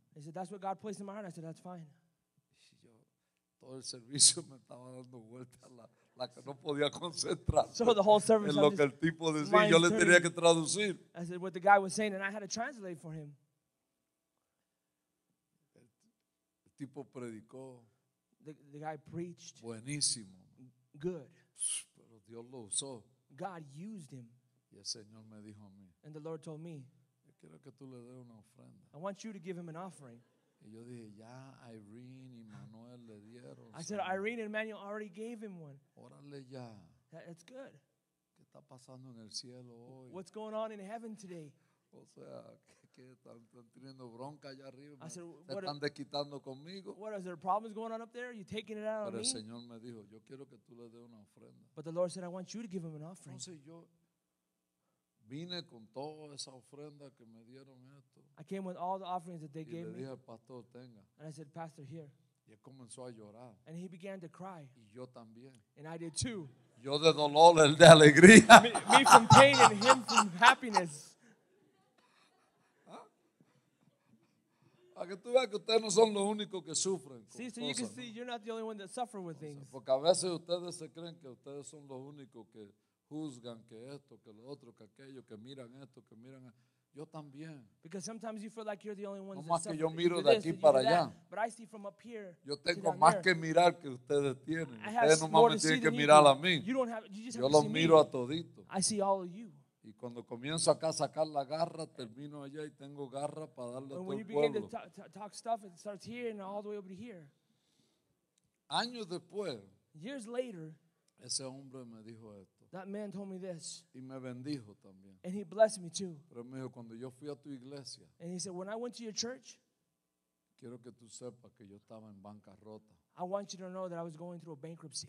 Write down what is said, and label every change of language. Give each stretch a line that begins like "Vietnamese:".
English: He said, that's what God placed in my heart. I said, that's fine.
Spanish: Todo el servicio me estaba dando vueltas la que no podía concentrar.
English: So the whole service
Spanish: en lo que el tipo decía, yo le tenía que traducir.
English: I said what the guy was saying and I had to translate for him.
Spanish: El tipo predicó.
English: The guy preached.
Spanish: Buenísimo.
English: Good.
Spanish: Pero Dios lo usó.
English: God used him.
Spanish: Y el Señor me dijo a mí.
English: And the Lord told me.
Spanish: Yo quiero que tú le des una ofrenda.
English: I want you to give him an offering.
Spanish: Y yo dije, ya Irene y Manuel le dieron.
English: I said, Irene and Manuel already gave him one.
Spanish: Órale ya.
English: That's good.
Spanish: ¿Qué está pasando en el cielo hoy?
English: What's going on in heaven today?
Spanish: O sea, ¿qué están teniendo bronca allá arriba?
English: I said,
Spanish: ¿se están desquitando conmigo?
English: What, is there problems going on up there? Are you taking it out on me?
Spanish: Pero el Señor me dijo, yo quiero que tú le des una ofrenda.
English: But the Lord said, I want you to give him an offering.
Spanish: Entonces yo vine con toda esa ofrenda que me dieron esto.
English: I came with all the offerings that they
Spanish: y
English: gave
Spanish: le dije,
English: me.
Spanish: Al pastor, tenga.
English: And I said, pastor, here.
Spanish: Y él comenzó a llorar.
English: And he began to cry.
Spanish: Y yo también.
English: And I did too.
Spanish: Yo de dolor, él de alegría.
English: Me from pain and him from happiness.
Spanish: Para que tú veas que ustedes no son los únicos que sufren.
English: See, so you can see you're not the only one that suffer with things.
Spanish: Porque a veces ustedes se creen que ustedes son los únicos que juzgan que esto, que lo otro, que aquello, que miran esto, que miran esto. Yo también.
English: Because sometimes you feel like you're the only one.
Spanish: No más que yo miro de aquí para allá.
English: But I see from up here.
Spanish: Yo tengo más que mirar que ustedes tienen. Ustedes no más me tienen que mirar a mí.
English: You don't have, you just have
Spanish: yo los miro a todito.
English: I see all of you.
Spanish: Y cuando comienzo acá a sacar la garra, termino allá y tengo garra para darle a todo el pueblo.
English: When you begin to talk stuff, it starts here and all the way over here.
Spanish: Años después.
English: Years later.
Spanish: Ese hombre me dijo esto.
English: That man told me this.
Spanish: Y me bendijo también.
English: And he blessed me too.
Spanish: Pero me dijo, cuando yo fui a tu iglesia,
English: and he said, when I went to your church,
Spanish: quiero que tú sepas que yo estaba en bancarrota.
English: I want you to know that I was going through a bankruptcy.